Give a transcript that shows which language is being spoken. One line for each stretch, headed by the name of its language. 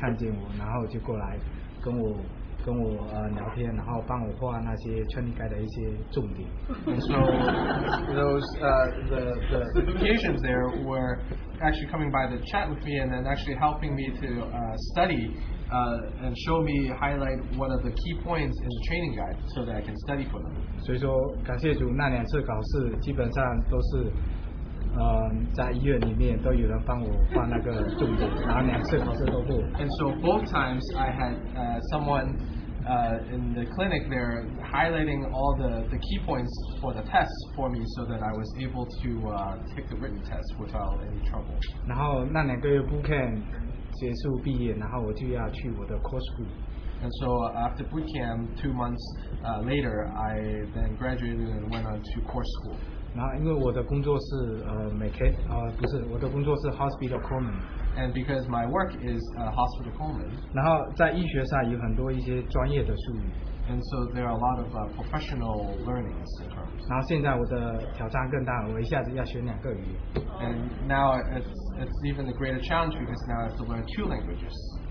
Chinese: 那旁边的那些老外看见我，然后就过来跟我。跟我聊天，然后帮我画那些 training guide 的一些重点。
English: And so those the patients there were actually coming by to chat with me and then actually helping me to study and show me highlight one of the key points in the training guide so that I can study for them.
Chinese: 所以说感谢主，那两次考试基本上都是。在医院里面都有人帮我画那个重点，然后两次考试都过。
English: And so both times I had someone in the clinic there highlighting all the key points for the tests for me so that I was able to take the written test without any trouble.
Chinese: 然后那两个月 bootcamp 结束毕业，然后我就要去我的 course group.
English: And so after bootcamp, 2 months later, I then graduated and went on to course school.
Chinese: 然后因为我的工作是 不是我的工作是 hospital coleman.
English: And because my work is hospital coleman.
Chinese: 然后在医学上有很多一些专业的术语.
English: And so there are a lot of professional learnings in terms.
Chinese: 然后现在我的挑战更大了，我一下子要学两个语言.
English: And now it's even a greater challenge because now I have to learn 2 languages.